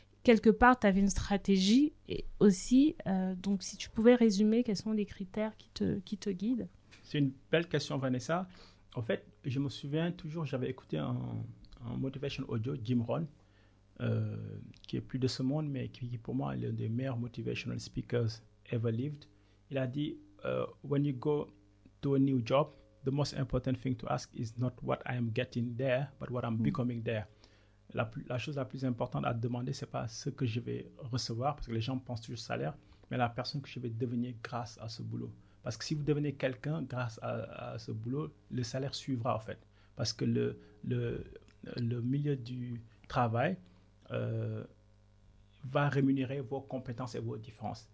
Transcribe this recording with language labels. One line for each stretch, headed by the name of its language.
French: quelque part, tu avais une stratégie et aussi. Donc, si tu pouvais résumer, quels sont les critères qui te guident? C'est une belle question, Vanessa. En fait, je me souviens toujours, j'avais écouté un motivation audio, Jim Rohn, qui est plus de ce monde, mais qui pour moi est l'un des meilleurs
English: motivational speakers ever lived.
French: Il a dit,
English: when you go to a new job, the most important thing to ask is not what I am getting there, but what I'm becoming there.
French: La chose la plus importante à demander, ce n'est pas ce que je vais recevoir, parce que les gens pensent toujours salaire, mais la personne que je vais devenir grâce à ce boulot. Parce que si vous devenez quelqu'un grâce à ce boulot, le salaire suivra en fait. Parce que le milieu du travail va rémunérer vos compétences et vos différences.